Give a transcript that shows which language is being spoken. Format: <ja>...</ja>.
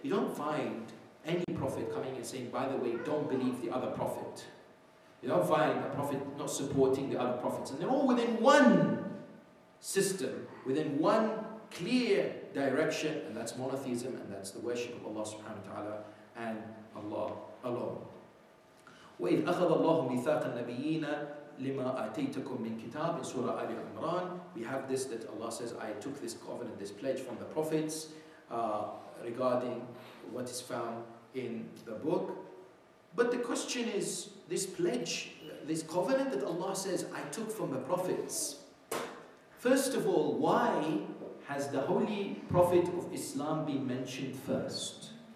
<en>You don't find any prophet coming and saying, by the way, don't believe the other prophet. You don't find a prophet not supporting the other prophets. And they're all within one system, within one clear direction, and that's monotheism, and that's the worship of Allah subhanahu wa ta'ala and Allah alone.</en> <ar>وَإِذْ أَخَذَ اللَّهُ مِثَاقَ النَّبِيِّينَ لِمَا أَعْتَيْتَكُمْ مِنْ كِتَابٍ Surah Al-Imran.</ar> <en>We have this, that Allah says, I took this covenant, this pledge from the prophets regarding what is found in the book. But the question is, this pledge, this covenant that Allah says, I took from the prophets. First of all, why has the Holy Prophet of Islam been mentioned first?</en>